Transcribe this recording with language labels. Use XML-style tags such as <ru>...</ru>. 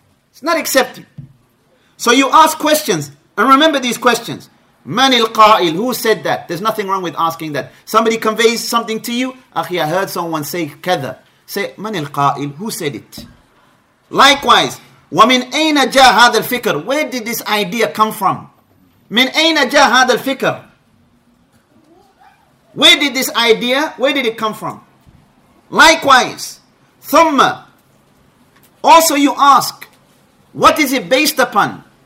<en>It's not accepted. So you ask questions, and remember these questions. Man al-qa'il, who said that? There's nothing wrong with asking that. Somebody conveys something to you, akhi, I heard someone say kadha. Say, man al-qa'il, who said it?</en> <ar>Likewise, وَمِنْ أَيْنَ جَاءَ هَذَا الْفِكْرُ.</ar> <en>Where did this idea come from?</en> <ar>مِنْ أَيْنَ جَاءَ هَذَا الْفِكْرُ.</ar> <en>Where did this idea, where did it come from? Likewise, ثُمَّ. Also you ask, what is it based upon?</en>